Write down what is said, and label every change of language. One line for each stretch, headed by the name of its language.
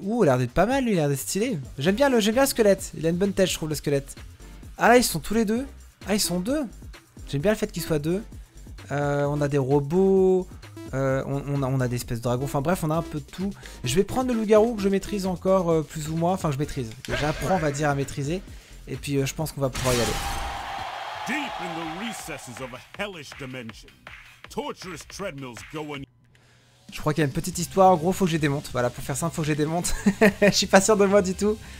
French: Ouh, il a l'air d'être pas mal lui, il a l'air d'être stylé. J'aime bien le squelette, il a une bonne tête je trouve le squelette. Ah là ils sont tous les deux. Ah ils sont deux. J'aime bien le fait qu'ils soient deux. On a des robots, on a des espèces de dragons, enfin bref on a un peu de tout. Je vais prendre le loup-garou que je maîtrise encore plus ou moins, enfin que je maîtrise. Que j'apprends on va dire à maîtriser. Et puis je pense qu'on va pouvoir y aller.
English: Deep in the recesses of a hellish dimension, torturous treadmills go on.
French: Je crois qu'il y a une petite histoire, en gros faut que j'ai des montres. Voilà, pour faire simple, faut que j'ai des montres. Je suis pas sûr de moi du tout.